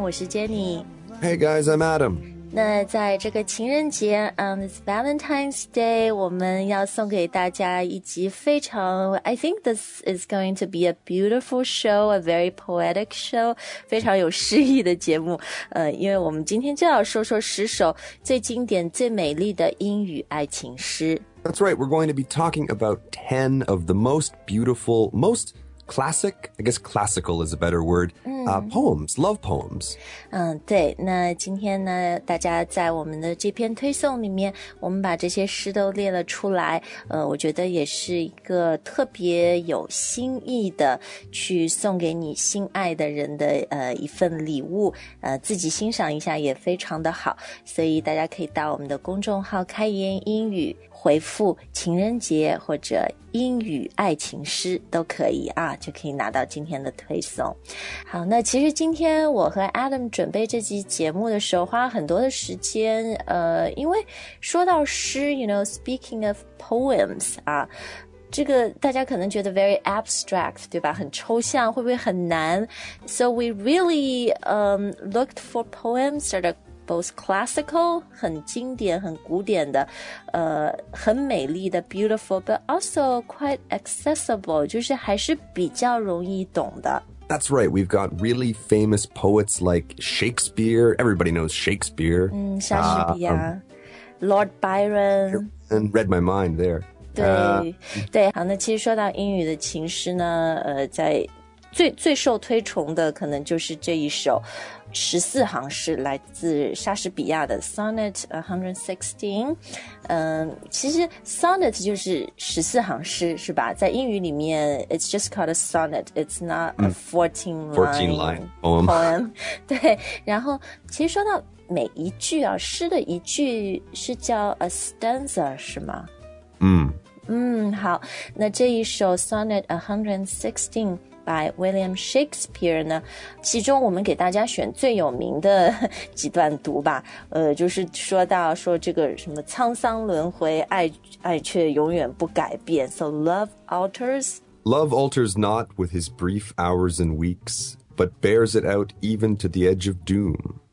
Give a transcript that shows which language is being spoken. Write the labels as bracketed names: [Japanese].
[Chinese] 我是 Jenny. [English] Hey, guys, I'm Adam. [Chinese] 那在这个情人节 [English] on this Valentine's Day, [Chinese] 我们要送给大家一集非常 [English] I think this is going to be a beautiful show, a very poetic show, [Chinese] 非常有诗意的节目。因为我们今天就要说说十首最经典、最美丽的英语爱情诗。 [English] That's right, we're going to be talking about 10 of the most beautiful, mostclassic, I guess classical is a better word,poems, love poems. [Chinese] 对，那今天呢，大家在我们的这篇推送里面，我们把这些诗都列了出来，我觉得也是一个特别有心意的去送给你心爱的人的一份礼物，自己欣赏一下也非常的好，所以大家可以到我们的公众号开言英语回复情人节或者英语爱情诗都可以啊，就可以拿到今天的推送。好，那其实今天我和 Adam 准备这期节目的时候花了很多的时间，因为说到诗 [English] you know, speaking of poems, [Chinese] 啊，这个大家可能觉得 [English] very abstract, [Chinese] 对吧，很抽象，会不会很难。 [English] So we really, looked for poems that are both classical, [Chinese] 很经典很古典的很美丽的 [English] beautiful, but also quite accessible, [Chinese] 就是还是比较容易懂的。 [English] That's right, we've got really famous poets like Shakespeare, everybody knows Shakespeare. [Chinese] 莎士比亚 Lord Byron. [English] And read my mind there. [Chinese] 对，好，那其实说到英语的情诗呢，在最受推崇的可能就是这一首14行诗，来自莎士比亚的 Sonnet 116。其实 Sonnet 就是14行诗，是吧？在英语里面 [English] It's just called a sonnet. It's not a 14-line poem. [Chinese] 对，然后其实说到每一句啊，诗的一句是叫 a stanza, 是吗？好，那这一首 Sonnet 116by William Shakespeare 呢，其中我们给大家选最有名的几段读吧，就是说到说这个什么沧桑轮回，爱却永远不改变。 [English] So love alters? Love alters not with his brief hours and weeks, but bears it out even to the edge of doom.